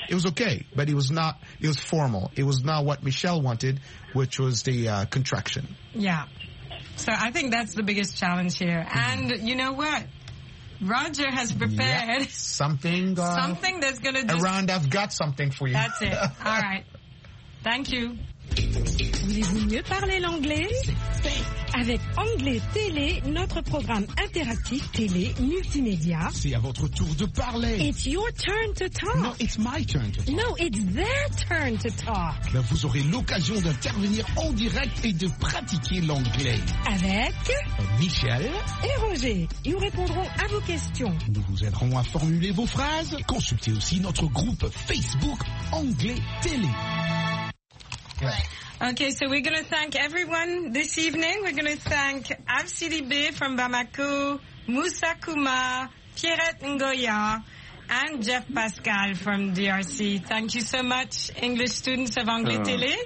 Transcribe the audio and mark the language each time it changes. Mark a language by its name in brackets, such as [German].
[English] It was okay, but it was not. It was formal. It was not what Michelle wanted, which was the contraction. Yeah. So I think that's the biggest challenge here. Mm-hmm. And you know what? Roger has prepared something that's going to do. Around, I've got something for you. That's it. All right. Thank you. [French] Voulez-vous mieux parler l'anglais? Avec Anglais Télé, notre programme interactif télé multimédia. C'est à votre tour de parler. [English] It's your turn to talk. No, it's my turn to talk. No, it's their turn to talk. [French] Là, vous aurez l'occasion d'intervenir en direct et de pratiquer l'anglais. Avec Michel et Roger. Ils répondront à vos questions. Nous vous aiderons à formuler vos phrases. Consultez aussi notre groupe Facebook Anglais Télé. [English] Yeah. Okay, so we're going to thank everyone this evening. We're going to thank Avsidi B from Bamako, Musa Kuma, Pierrette Ngoya, and Jeff Pascal from DRC. Thank you so much, English students of Anglais Télé.